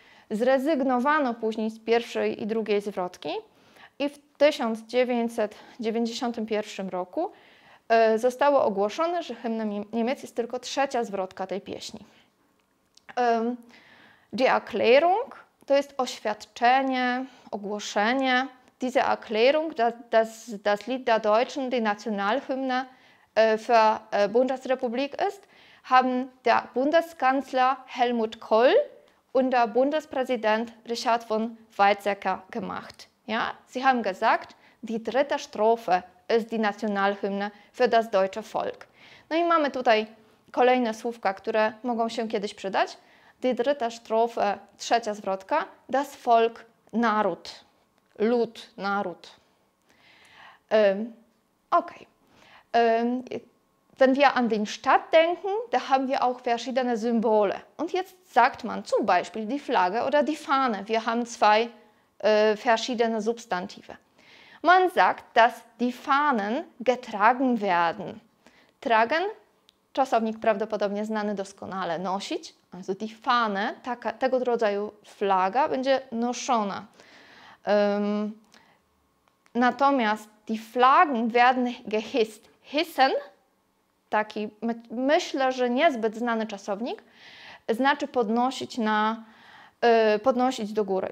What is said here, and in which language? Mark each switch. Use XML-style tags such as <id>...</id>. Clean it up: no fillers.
<pl>Zrezygnowano później z pierwszej i drugiej zwrotki i w 1991 roku zostało ogłoszone, że hymnem Niemiec jest tylko trzecia zwrotka tej pieśni.</pl> <de>Die Erklärung,</de> <pl>to jest oświadczenie, ogłoszenie.</pl> <de>Diese Erklärung, dass das Lied der Deutschen, die Nationalhymne für Bundesrepublik ist, haben der Bundeskanzler Helmut Kohl und der Bundespräsident Richard von Weizsäcker gemacht. Ja? Sie haben gesagt, die dritte Strophe ist die Nationalhymne für das deutsche Volk.</de> <pl>No i mamy tutaj kolejne słówka, które mogą się kiedyś przydać.</pl> <de>Die dritte Strophe,</de> <pl>trzecia zwrotka,</pl> <de>das Volk,</de> <pl>naród. Lud, naród. Okay.</pl> <de>Wenn wir an den Staat denken, da haben wir auch verschiedene Symbole. Und jetzt sagt man zum Beispiel die Flagge oder die Fahne. Wir haben zwei verschiedene Substantive. Man sagt, dass die Fahnen getragen werden.</de> <pl>Tragen, czasownik prawdopodobnie znany doskonale, nosić.</pl> <de>Also die Fahne,</de> <pl>tego rodzaju Flaga, będzie noszona. Natomiast</pl> <de>die Flaggen werden gehisst.</de> <pl>Hissen, taki myślę, że niezbyt znany czasownik, znaczy podnosić, podnosić do góry.</pl>